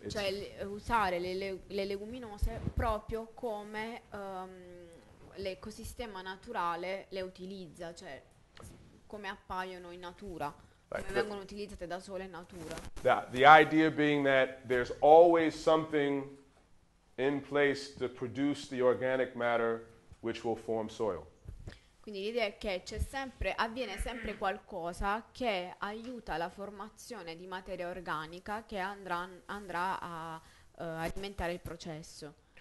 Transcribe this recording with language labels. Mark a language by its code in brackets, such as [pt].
[it] It's cioè usare le leguminose proprio come l'ecosistema naturale le utilizza, cioè come appaiono in natura, like come vengono utilizzate da sole in natura. [en] The idea being that there's always something in place to produce the organic matter which will form soil. [it] Quindi l'idea è che c'è sempre, avviene sempre qualcosa che aiuta la formazione di materia organica che andrà a alimentare il processo.